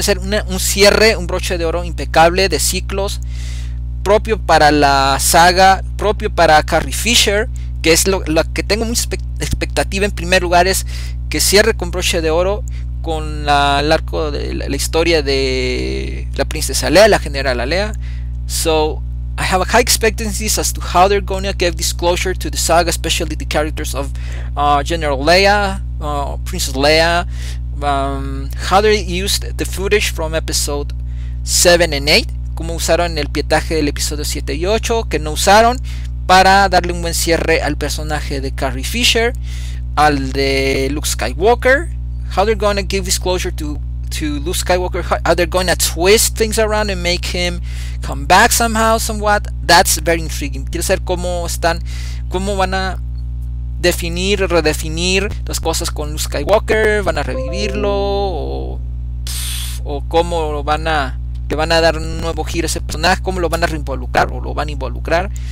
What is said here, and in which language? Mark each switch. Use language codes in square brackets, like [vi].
[es] Debe ser un cierre, un broche de oro impecable de ciclos, propio para la saga, propio para Carrie Fisher, que es lo que tengo mucha expectativa en primer lugar, es que cierre con broche de oro con el arco de la historia de la princesa Leia, la general Leia. [en] So I have high expectancies as to how they're going to give disclosure to the saga, especially the characters of General Leia, Princess Leia, how they used the footage from episode 7 and 8, [es] cómo usaron el pietaje del episodio 7 y 8 que no usaron para darle un buen cierre al personaje de Carrie Fisher, al de Luke Skywalker, [en] how they're gonna give disclosure to Luke Skywalker, how they're gonna twist things around and make him come back somehow, somewhat. That's very intriguing. [es] Quiero saber cómo van a definir, redefinir las cosas con Luke Skywalker, van a revivirlo, o cómo le van a dar un nuevo giro a ese personaje, cómo lo van a reinvolucrar o lo van a involucrar.